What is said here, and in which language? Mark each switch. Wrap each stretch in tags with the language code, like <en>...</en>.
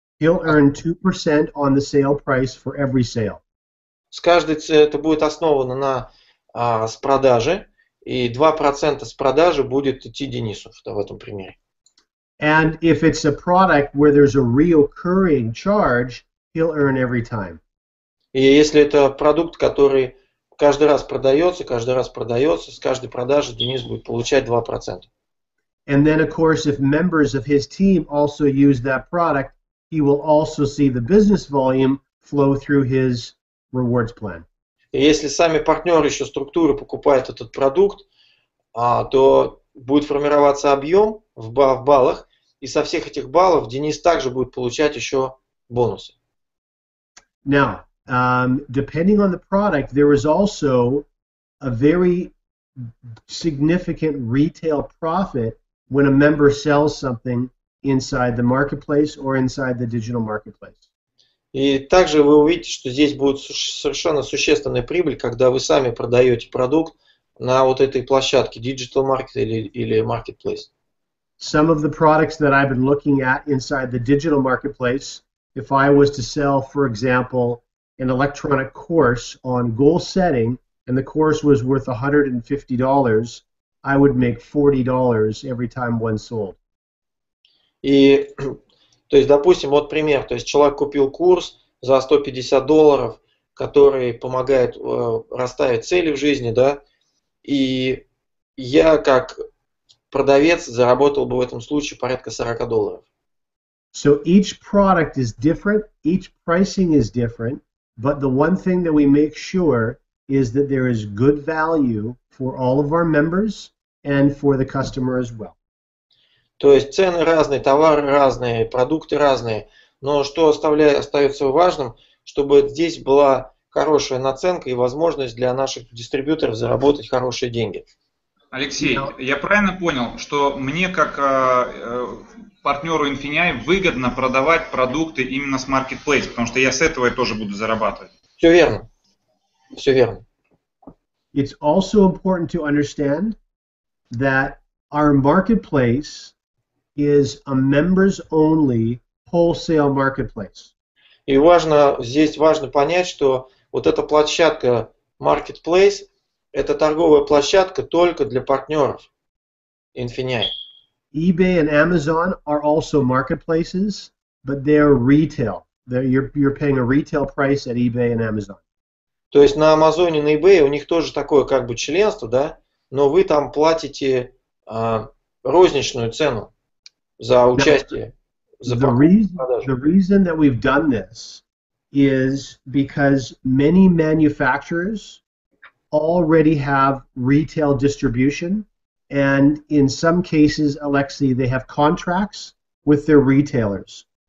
<en>He'll earn 2% on the sale price for every sale.</en> <ru>С каждой это будет основано на с продажи. И 2% с продажи будет идти Денису в этом примере.</ru> <en>And if it's a product where there's a reoccurring charge, he'll earn every time.</en> <ru>И если это продукт, который каждый раз продается, с каждой продажи Денис будет получать 2%.</ru> <en>And then, of course, if members of his team also use that product, he will also see the business volume flow through his rewards plan.</en> <ru>Если сами партнеры еще структуры покупают этот продукт, то будет формироваться объем в баллах, и со всех этих баллов Денис также будет получать еще бонусы.</ru> <en>Now, depending on the product, there is also a very significant retail profit when a member sells something inside the marketplace or inside the digital marketplace.</en> <ru>И также вы увидите, что здесь будет совершенно существенная прибыль, когда вы сами продаете продукт на вот этой площадке Digital Market или Marketplace.</ru> <en>Some of the products that I've been looking at inside the Digital Marketplace, if I was to sell, for example, an electronic course on goal setting, and the course was worth $150, I would make $40 every time one sold.</en> <ru>И... То есть, допустим, вот пример. То есть, человек купил курс за $150, который помогает расставить цели в жизни, да, и я как продавец заработал бы в этом случае порядка $40.</ru> <en>So each product is different, each pricing is different, but the one thing that we make sure is that there is good value for all of our members and for the customer as well.</en> <ru>То есть цены разные, товары разные, продукты разные. Но что оставляет, остается важным, чтобы здесь была хорошая наценка и возможность для наших дистрибьюторов заработать хорошие деньги. Алексей, я правильно понял, что мне как партнеру Infinii выгодно продавать продукты именно с Marketplace, потому что я с этого и тоже буду зарабатывать. Все верно. Все верно.</ru> <en>It's also important to understand that our marketplace is a members-only wholesale marketplace.</en> <ru>И важно, здесь важно понять, что вот эта площадка Marketplace, это торговая площадка только для партнеров Infinii.</ru> <en>eBay and Amazon are also marketplaces, but they're retail. You're paying a retail price at eBay and Amazon.</en> <ru>То есть на Амазоне, на eBay у них тоже такое как бы членство, да? Но вы там платите розничную цену за участие, за покупку.</ru> <en>The reason that we've done this is because many manufacturers already have retail distribution, and in some cases, Alexei, they have contracts with their retailers.</en>